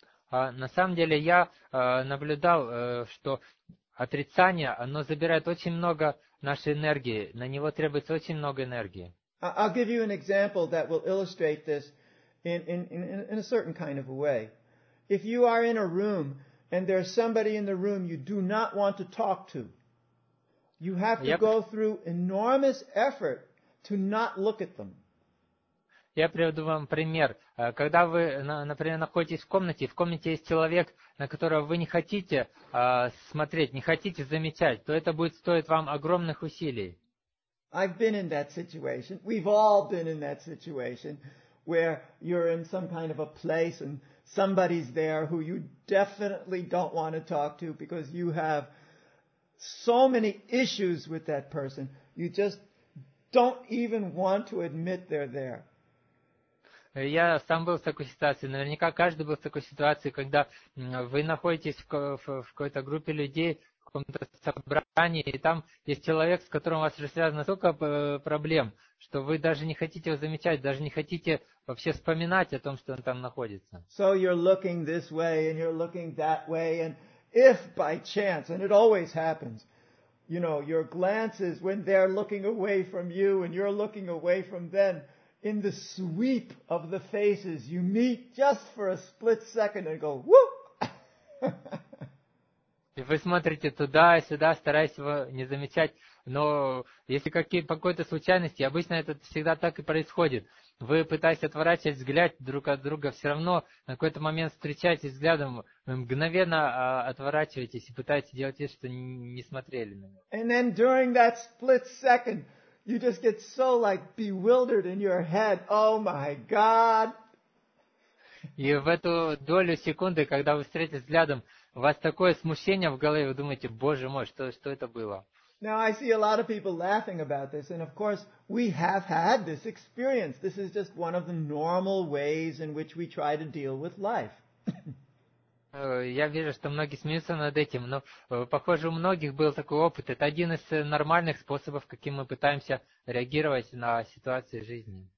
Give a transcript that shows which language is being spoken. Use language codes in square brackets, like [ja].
[ru] На самом деле я наблюдал, что отрицание, оно забирает очень много нашей энергии. На него требуется очень много энергии. [en] I'll give you an example that will illustrate this in a certain kind of a way. If you are in a room and there's somebody in the room you do not want to talk to, you have to go through enormous effort to not look at them. [ru] Я приведу вам пример. Когда вы, например, находитесь в комнате есть человек, на которого вы не хотите смотреть, не хотите замечать, то это будет стоить вам огромных усилий. [en] I've been in that situation. We've all been in that situation where you're in some kind of a place and somebody's there who you definitely don't want to talk to because you have so many issues with that person. You just don't even want to admit they're there. [ru] Я сам был в такой ситуации, наверняка каждый был в такой ситуации, когда вы находитесь в какой-то группе людей, в каком-то собрании, и там есть человек, с которым у вас уже связано столько проблем, что вы даже не хотите его замечать, даже не хотите вообще вспоминать о том, что он там находится. [en] So you're looking this way, and you're looking that way, and if by chance, and it always happens, you know, your glances, when they're looking away from you, and you're looking away from them, in the sweep of the faces, you meet just for a split second and go, whoop! [ru] И вы смотрите туда-сюда, стараясь его не замечать. Но если по какой-то случайности, обычно это всегда так и происходит. Вы пытаетесь отворачивать взгляд друг от друга, все равно на какой-то момент встречаетесь взглядом, вы мгновенно отворачиваетесь и пытаетесь делать вид, что не смотрели на него. [en] And then during that split second, you just get so like bewildered in your head. Oh my God. [ru] И в эту долю секунды, когда вы встретитесь взглядом, у вас такое смущение в голове, вы думаете, Боже мой, что это было? [en] Now I see a lot of people laughing about this, and of course we have had this experience. This is just one of the normal ways in which we try to deal with life. [ru] Я вижу, что многие смеются над этим, но похоже, у многих был такой опыт. Это один из нормальных способов, каким мы пытаемся реагировать на ситуации жизни.